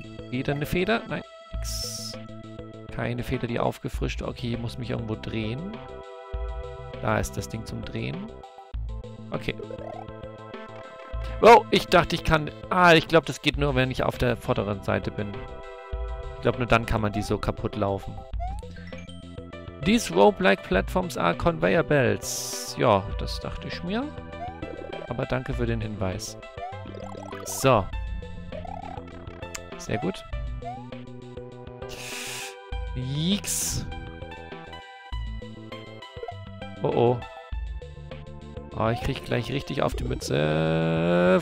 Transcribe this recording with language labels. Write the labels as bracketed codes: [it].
[de] Wieder eine Feder? Nein, nix. Keine Feder, die aufgefrischt. Okay, ich muss mich irgendwo drehen. Da ist das Ding zum Drehen. Okay. Wow, ich dachte, ich kann... Ah, ich glaube, das geht nur, wenn ich auf der vorderen Seite bin. Ich glaube, nur dann kann man die so kaputt laufen. [en] These rope-like platforms are conveyor belts. [de] Ja, das dachte ich mir. Aber danke für den Hinweis. So. Sehr gut. Yeeks. Oh oh. Oh, ich krieg gleich richtig auf die Mütze.